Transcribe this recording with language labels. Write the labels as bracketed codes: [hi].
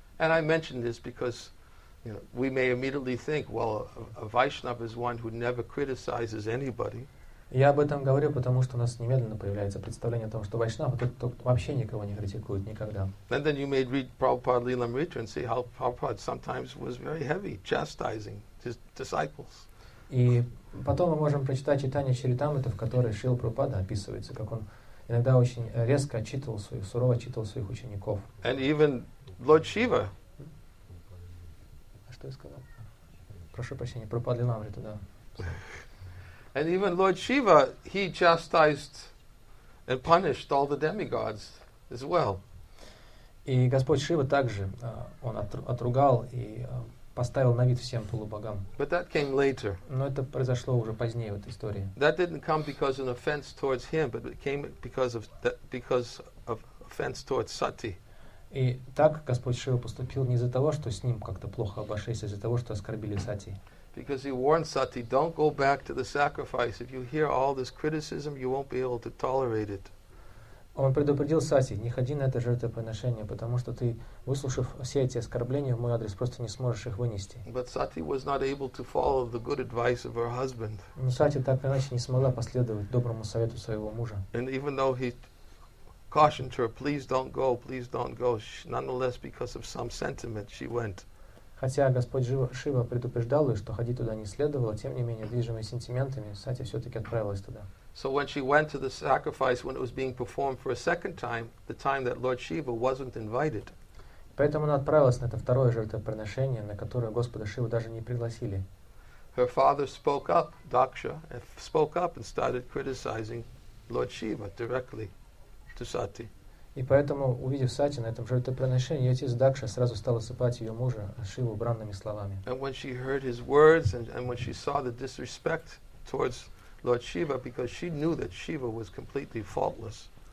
[en] And I mention this because, you know, we may immediately think, well, a Vaishnava is one who never criticizes anybody. [ru] Я об этом говорю, потому что у нас немедленно появляется представление о том, что Вайшнава вообще никого не критикует никогда. [en] And then you may read Prabhupada Lilamrita and see how Prabhupada sometimes was very heavy chastising his disciples. [ru] И потом мы можем прочитать Чайтанья Чаритамриту, в которой Шрила Прабхупада описывается, как он иногда очень резко отчитывал своих, сурово отчитывал своих учеников. [en] And even Lord Shiva. [ru] Что я сказал? Прошу прощения, Прабхупада Лилямриту, да. [en] And even Lord Shiva, he chastised and punished all the demigods as well. [ru] И Господь Шива также, он отругал и поставил на вид всем полубогам. [en] But that came later. [ru] Но это произошло уже позднее в этой истории. [en] That didn't come because of an offense towards him, but it came because of offense towards Sati. [ru] И так Господь Шива поступил не из-за того, что с ним как-то плохо обошлись, а из-за того, что оскорбили Сати. [en] Because he warned Sati, don't go back to the sacrifice. If you hear all this criticism, you won't be able to tolerate it. [ru] Он предупредил Сати, не ходи на это жертвоприношение, потому что ты, выслушав все эти оскорбления в мой адрес, просто не сможешь их вынести. [en] But Sati was not able to follow the good advice of her husband. [ru] Но Сати так или иначе не смогла последовать доброму совету своего мужа. [en] And even though he cautioned her, please don't go, nonetheless, because of some sentiment, she went. [ru] Хотя Господь Шива предупреждал ее, что ходить туда не следовало, тем не менее, движимая сентиментами, Сати все-таки отправилась туда. [en] So when she went to the sacrifice, when it was being performed for a second time, the time that Lord Shiva wasn't invited. [ru] Поэтому она отправилась на это второе жертвоприношение, на которое Господа Шиву даже не пригласили. [en] Her father spoke up, Daksha, spoke up and started criticizing Lord Shiva directly to Sati. [ru] И поэтому, увидев Сати на этом жертвоприношении, ее отец Дакша сразу стал осыпать ее мужа Шиву бранными словами. [en] And when she heard his words and when she saw the disrespect towards Lord Shiva, because she knew that Shiva was completely faultless.